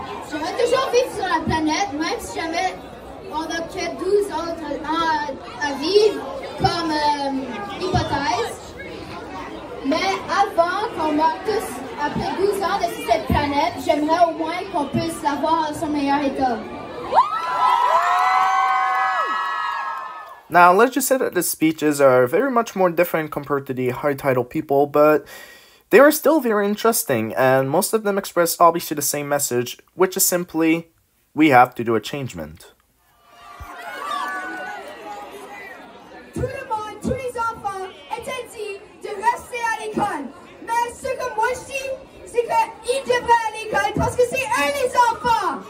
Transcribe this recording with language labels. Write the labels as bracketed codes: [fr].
[fr] J'aurais toujours vécu sur la planète, même si jamais on n'a que 12 autres à vivre, comme hypothèse. Mais avant qu'on meure tous, après 12 ans de cette planète, j'aimerais au moins qu'on puisse l'avoir à son meilleur état. [en] Now, let's just say that the speeches are very much more different compared to the high title people, but they are still very interesting, and most of them express obviously the same message, which is simply, we have to do a changement. [fr] Tout le monde, tous les enfants, étaient dit de rester à l'école. Mais ce que moi je dis, c'est qu'ils devraient aller à l'école parce que c'est eux les enfants!